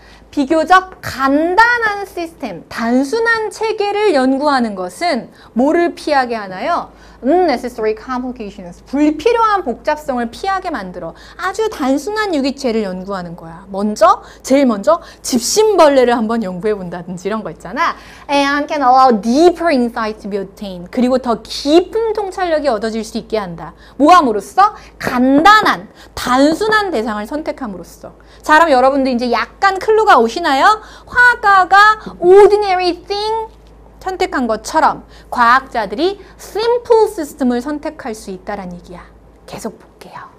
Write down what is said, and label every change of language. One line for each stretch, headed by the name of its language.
Korean: 비교적 간단한 시스템, 단순한 체계를 연구하는 것은 뭐를 피하게 하나요?
English: Unnecessary complications.
Korean: 불필요한 복잡성을 피하게 만들어 아주 단순한 유기체를 연구하는 거야. 제일 먼저 집신벌레를 한번 연구해 본다든지 이런 거 있잖아.
English: And can allow deeper insight to be obtained.
Korean: 그리고 더 깊은 통찰력이 얻어질 수 있게 한다. 뭐함으로써? 간단한, 단순한 대상을 선택함으로써. 자, 그럼 여러분들 이제 약간 클루가 오시나요? 화가가 ordinary thing 선택한 것처럼 과학자들이 simple system을 선택할 수 있다라는 얘기야. 계속 볼게요.